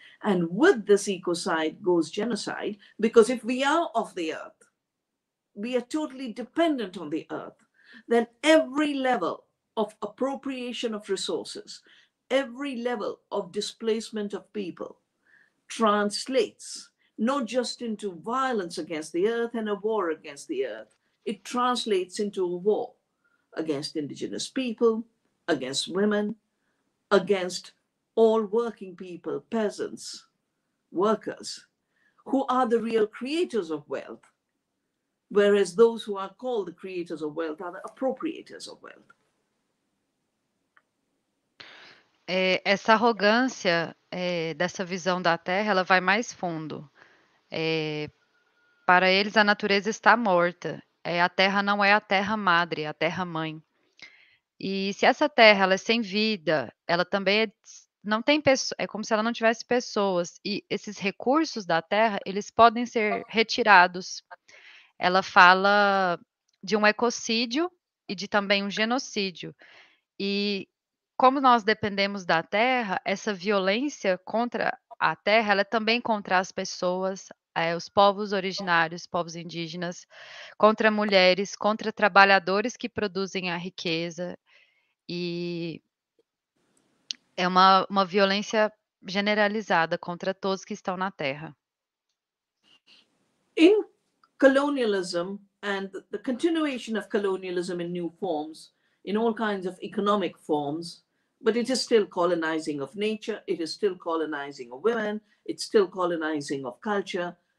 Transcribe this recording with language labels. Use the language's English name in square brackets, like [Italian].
[English] And with this ecocide goes genocide, because if we are of the earth, we are totally dependent on the earth, then every level of appropriation of resources, every level of displacement of people translates not just into violence against the earth and a war against the earth, it translates into a war against indigenous people, against women, against all working people, peasants, workers, who are the real creators of wealth, whereas those who are called the creators of wealth are the appropriators of wealth. [Portuguese] Essa arrogância dessa visão da Terra, ela vai mais fundo. Para eles, a natureza está morta. A Terra não é a Terra Madre, a Terra Mãe. E se essa Terra ela é sem vida, ela também não tem pessoas, é como se ela não tivesse pessoas. E esses recursos da Terra, eles podem ser retirados. Ela fala de um ecocídio e de também um genocídio. E como nós dependemos da Terra, essa violência contra a Terra, ela é também contra as pessoas, os povos originários, povos indígenas, contra mulheres, contra trabalhadores que produzem a riqueza. E é uma violência generalizada contra todos que estão na Terra. [English] In colonialism and the continuation of colonialism in new forms, in all kinds of economic forms, but it is still colonizing of nature, it is still colonizing of women, it's still colonizing of culture.